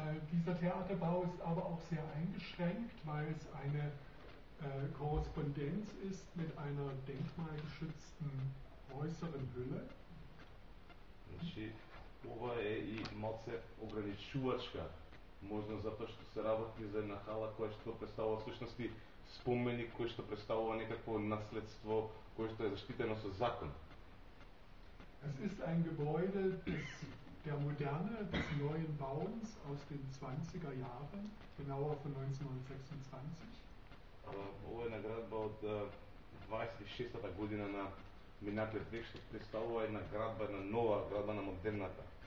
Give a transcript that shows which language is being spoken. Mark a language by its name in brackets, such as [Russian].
[German] Dieser Theaterbau ist aber auch sehr eingeschränkt, weil es eine Korrespondenz ist mit einer denkmalgeschützten äußeren Hülle. [Macedonian] Значи, ова е и малце ограничувачка, можно затоа што се работи за една хала која што представува всушности споменик, која што представува некакво наследство, која што е заштитено со закон. [German] Es ist ein Gebäude des der Moderne, des neuen Bauens aus den 20er Jahren, genauer von 1926. [Macedonian] Ова е наградба од 26-та година на минатиот век, што представува една градба, една нова градба на модерната.